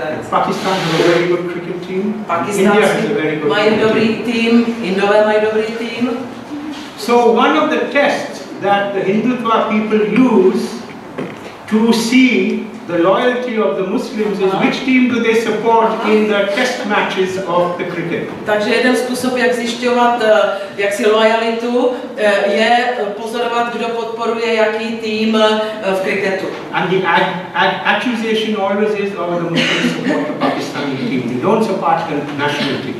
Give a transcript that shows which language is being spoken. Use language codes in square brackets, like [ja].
[en] Pakistan has a very good cricket team. Pakistan India has a very good [cs] mají dobrý tým. Indové mají dobrý tým. [en] So one of the tests that the Hindutva people use to see the loyalty of the Muslims is which team do they support in the test matches of the cricket. [cs] Takže jeden způsob, jak zjišťovat jaksi lojalitu, je pozorovat, kdo podporuje jaký tým v kriketu. [en] And the accusation always is that the Muslims support the Pakistani team. They don't support the national team.